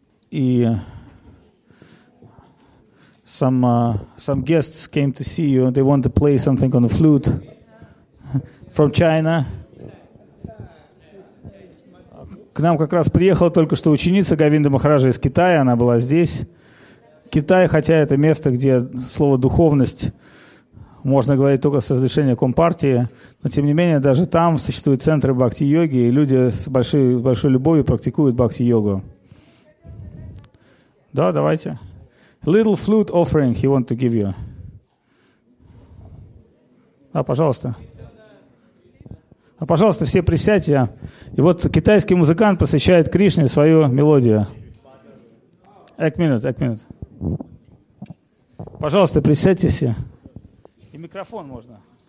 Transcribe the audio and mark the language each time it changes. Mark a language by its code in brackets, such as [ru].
[ru] И [en] some guests came to see you, they want to play something on the flute from China. [ru] К нам как раз приехала только что ученица Говинды Махараджа из Китая, она была здесь. Китай, хотя это место, где слово «духовность» можно говорить только с разрешения Компартии, но тем не менее даже там существуют центры бхакти-йоги, и люди с большой любовью практикуют бхакти-йогу. Да, давайте. [en] Little flute offering he want to give you. [ru] Да, пожалуйста. А пожалуйста, все присядьте. И вот китайский музыкант посвящает Кришне свою мелодию. Эк минут. Пожалуйста, присядьте все. И микрофон можно.